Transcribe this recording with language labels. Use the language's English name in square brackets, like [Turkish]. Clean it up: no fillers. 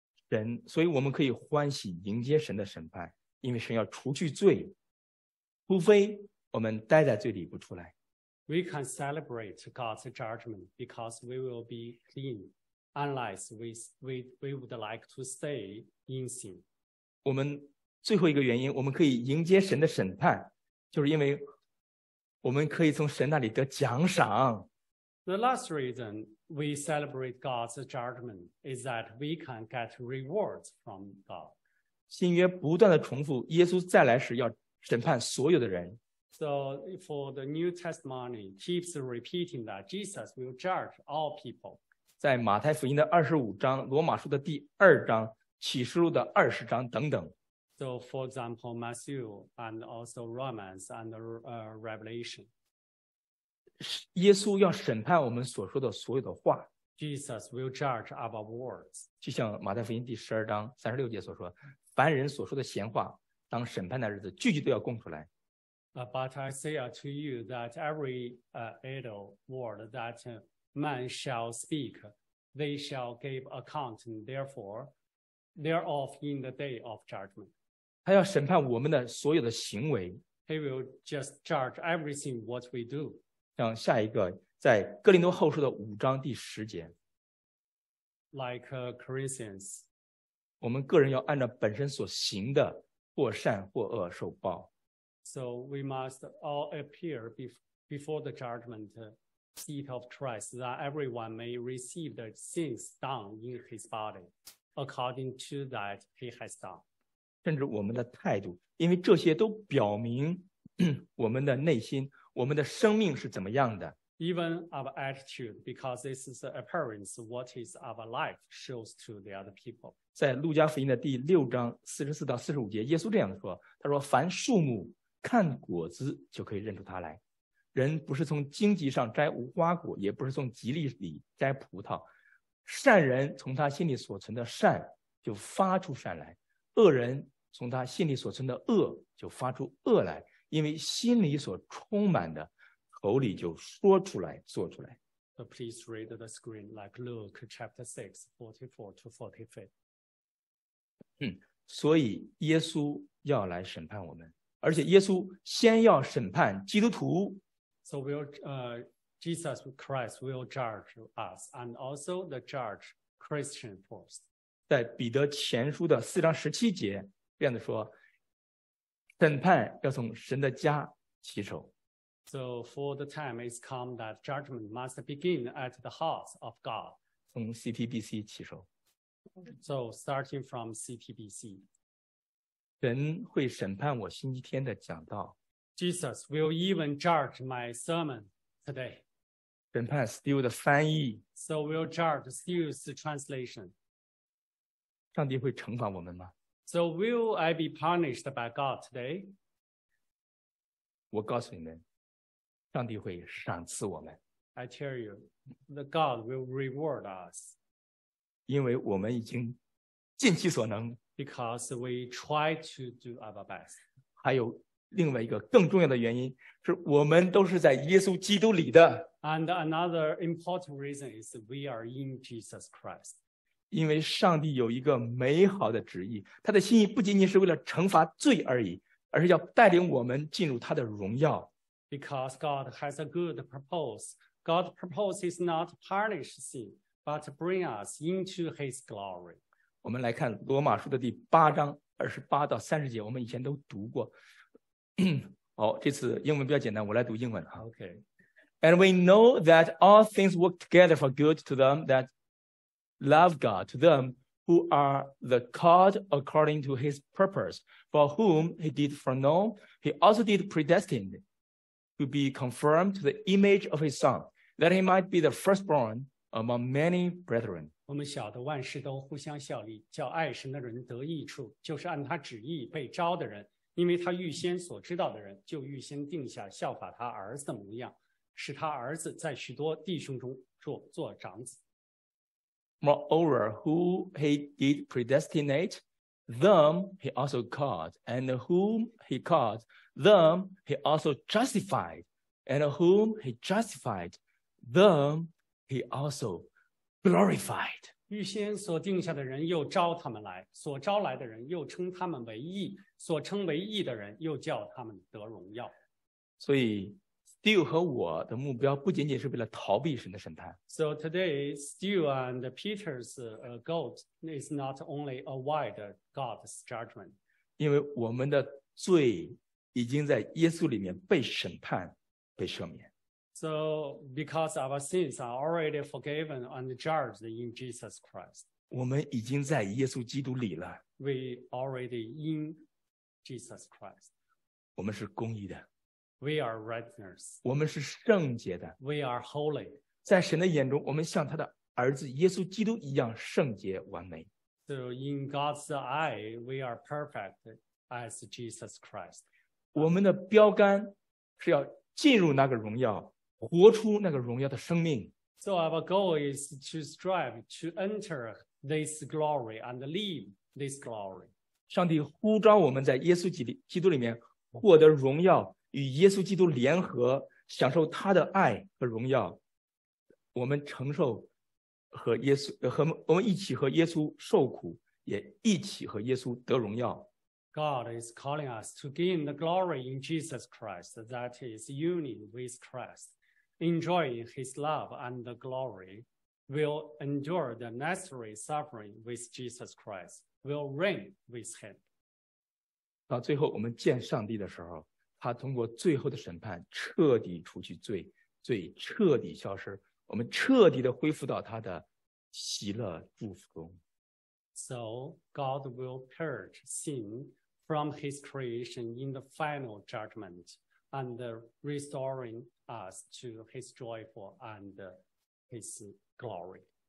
[Chinese] 神，所以我们可以欢喜迎接神的审判，因为神要除去罪，除非我们待在罪里不出来。 [English] We can celebrate God's judgment because we will be clean. Unless we would like to stay in sin. [Chinese] 我们最后一个原因，我们可以迎接神的审判，就是因为我们可以从神那里得奖赏。 [English] The last reason we celebrate God's judgment is that we can get rewards from God. [Chinese] 新约不断的重复，耶稣再来时要审判所有的人。 [English] So for the New Testament, it keeps repeating that Jesus will judge all people. [Chinese] 在马太福音的25章、罗马书的第2章、启示录的20章等等。 [English] So for example, Matthew and also Romans and Revelation. [Chinese] 耶稣要审判我们所说的所有的话。 [English] Jesus will judge our words. [Chinese] 就像马太福音第12章36节所说，凡人所说的闲话，当审判的日子，句句都要供出来。 [English] But I say to you that every idle word that Man shall speak, they shall give account, and therefore, thereof in the day of judgment. [Chinese] 他要审判我们的所有的行为。 [English] He will just judge everything what we do. [Chinese] 像下一个，在哥林多后书的5章第10节。 [English] Like Corinthians. [Chinese] 我们个人要按照本身所行的，或善或恶受报。 [English] So we must all appear before the judgment. Seat of Christ, that everyone may receive the things done in his body, according to that he has done. [Chinese] 甚至我们的态度，因为这些都表明我们的内心，我们的生命是怎么样的。 [English] Even our attitude, because this is the appearance, what is our life shows to the other people. [Chinese] 在路加福音的第6章44到45节，耶稣这样说：“他说，凡树木看果子就可以认出他来。” 人不是从荆棘上摘无花果，也不是从蒺藜里摘葡萄。善人从他心里所存的善就发出善来，恶人从他心里所存的恶就发出恶来，因为心里所充满的口里就说出来做出来。 [English] So please read the screen like Luke chapter 6 44 to 45. [Chinese] 所以耶稣要来审判我们，而且耶稣先要审判基督徒。 [English] So Jesus Christ will judge us and also the judge Christian first. [Chinese] 在彼得前书的四章十七节这样子说，审判要从神的家起手。 [English] So for the time is come that judgment must begin at the house of God. [Chinese] 从 CTBC 起手。 [English] So starting from CTBC. [Chinese] 神会审判我星期天的讲道。 [English] Jesus will even judge my sermon today. [Chinese] 审判 Steele 的翻译。 [English] So will judge Steele's translation. [Chinese] 上帝会惩罚我们吗？ [English] So will I be punished by God today? [Chinese] 我告诉你们，上帝会赏赐我们。 [English] I tell you, the God will reward us. [Chinese] 因为我们已经尽其所能。 [English] Because we try to do our best. [Chinese] 还有另外一个更重要的原因，是我们都是在耶稣基督里的。 [English] And another important reason is we are in Jesus Christ. [Chinese] 因为上帝有一个美好的旨意，他的心意不仅仅是为了惩罚罪而已，而是要带领我们进入他的荣耀。 [English] Because God has a good purpose. God's purpose is not to punish sin, but to bring us into his glory. [Chinese] 我们来看罗马书的第八章二十八到三十节，我们以前都读过。好，这次英文比较简单，我来读英文。 [English] Okay. And we know that all things work together for good to them that. Love God to them who are the called according to his purpose, for whom he did foreknow, he also did predestined to be conformed to the image of his son, that he might be the firstborn among many brethren. [Chinese] 我们晓得万事都互相效力，叫爱神的人得益处，就是按他旨意被招的人，因为他预先所知道的人，就预先定下效法他儿子的模样，使他儿子在许多弟兄中做长子。 [English] Moreover, who he did predestinate, them he also called, and whom he called, them he also justified, and whom he justified, them he also glorified. [Chinese] 预先所定下的人又招他们来，所招来的人又称他们为义，所称为义的人又叫他们得荣耀。所以Steel 和我的目标不仅仅是为了逃避神的审判。 [English] So today, Steel and Peter's goal is not only avoid God's judgment. [Chinese] 因为我们的罪已经在耶稣里面被审判、被赦免。 [English] So because our sins are already forgiven and judged in Jesus Christ. [Chinese] 我们已经在耶稣基督里了。 [English] We already in Jesus Christ. [Chinese] 我们是公义的。 [English] We are righteous. [Chinese] 我们是圣洁的。 [English] We are holy. [Chinese] 在神的眼中，我们像他的儿子耶稣基督一样圣洁完美。 [English] So in God's eye, we are perfect as Jesus Christ. [Chinese] 我们的标杆是要进入那个荣耀，活出那个荣耀的生命。 [English] So our goal is to strive to enter this glory and live this glory. [Chinese] 上帝呼召我们在耶稣基督里面获得荣耀。与耶稣基督联合，享受他的爱和荣耀，我们承受和耶稣和我们一起和耶稣受苦，也一起和耶稣得荣耀。 [English] God is calling us to gain the glory in Jesus Christ, that is union with Christ, enjoying His love and the glory, will endure the necessary suffering with Jesus Christ, will reign with Him. [Chinese] 到最后，我们见上帝的时候。他通过最后的审判彻底除去罪，罪彻底消失，我们彻底的恢复到他的喜乐祝福中。 [English] So God will purge sin from his creation in the final judgment and restoring us to his joyful and his glory.